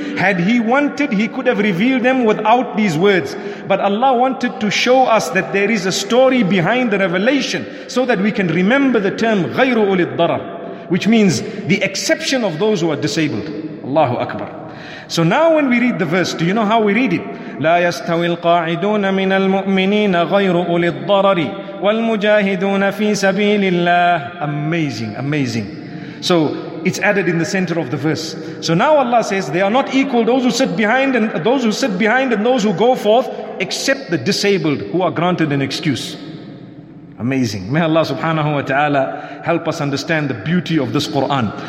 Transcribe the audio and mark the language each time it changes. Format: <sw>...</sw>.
<en>Had he wanted, he could have revealed them without these words. But Allah wanted to show us that there is a story behind the revelation so that we can remember the term</en> <ar>غَيْرُ أُولِ الضَّرَرِ,</ar> <en>which means the exception of those who are disabled. Allahu Akbar. So now when we read the verse, do you know how we read it?</en> <ar>لا يستوي القاعدون من المؤمنين غير أولي الضرر والمجاهدون في سبيل الله.</ar> <en>Amazing, amazing. So it's added in the center of the verse. So now Allah says, they are not equal, those who sit behind and those who sit behind and those who go forth, except the disabled who are granted an excuse. Amazing. May Allah subhanahu wa ta'ala help us understand the beauty of this Quran.</en>